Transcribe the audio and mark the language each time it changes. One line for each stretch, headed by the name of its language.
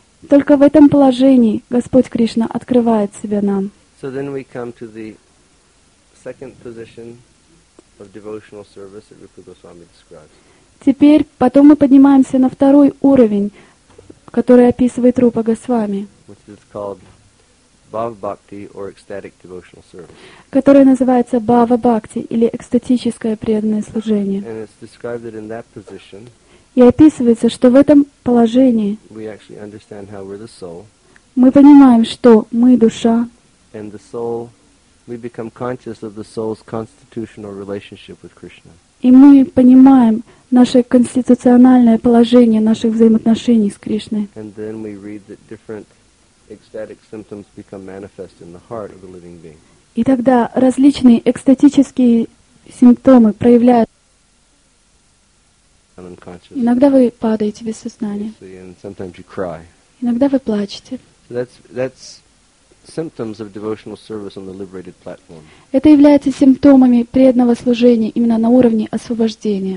Russian: Только в этом положении Господь Кришна открывает себя нам.
English: So then we come to the second position of devotional service that Rupa Goswami describes.
Russian: Теперь потом мы поднимаемся на второй уровень, который описывает Рупа Госвами.
English: Which is called Bhava Bhakti or ecstatic devotional service.
Russian: Который называется Bhava Bhakti или экстатическое преданное служение.
English: And it's described that in that position.
Russian: И описывается, что в этом положении
English: we actually understand how we're the soul.
Russian: Мы понимаем, что мы душа.
English: And the soul, we become conscious of the soul's constitutional relationship with Krishna.
Russian: И мы понимаем наше конституциональное положение наших взаимоотношений с Кришной.
English: And then we read that different ecstatic symptoms become manifest in the heart of the living being.
Russian: И тогда различные экстатические симптомы проявляют. Иногда вы падаете без сознания.
English: And sometimes you cry.
Russian: Иногда вы плачете.
English: That's symptoms of devotional service on the liberated platform.
Russian: Это является симптомами преданного служения именно на уровне освобождения.